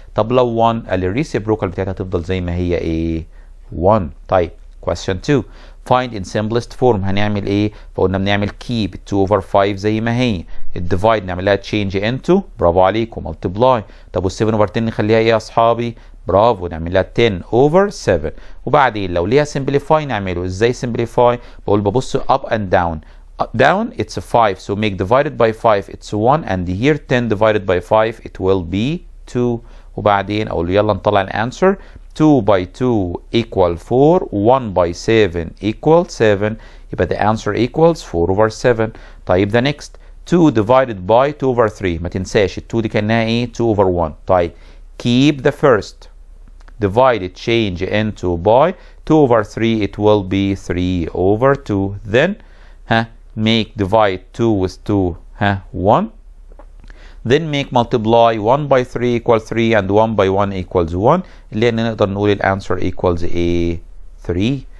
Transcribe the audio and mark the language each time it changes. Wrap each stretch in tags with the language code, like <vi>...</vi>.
<ar>طب لو 1 قال الريسيبروكال بتاعتها هتفضل زي ما هي ايه؟ 1. طيب question 2</ar> <en>find in simplest form،</en> <ar>هنعمل ايه؟ فقلنا بنعمل keep 2 over 5 زي ما هي، ال divide نعملها change into، برافو عليكم، multiply. طب وال 7 over 10 نخليها ايه يا اصحابي؟ برافو، نعملها 10 over 7. وبعدين لو ليها simplify نعمله ازاي؟</ar> <en>simplify بقول ببص up and down، down it's a 5 so make divided by 5 it's 1 and here 10 divided by 5 it will be 2.</en> <ar>وبعدين اقول له يلا نطلع الانسر،</ar> <en>2 by 2 equal 4 1 by 7 equal 7، يبقى the answer equals 4 over 7.</en> <ar>طيب the next 2 divided by 2 over 3، ما تنساش ال 2 دي كانها ايه؟ 2 over 1.</ar> <en>طيب keep the first divided change into by 2 over 3 it will be 3 over 2، then make divide 2 with 2 1، then make multiply 1 by 3 equal 3 and 1 by 1 equals 1،</en> <ar>اللي هنا نقدر نقول الانسر</ar> <en>equals a 3.</en>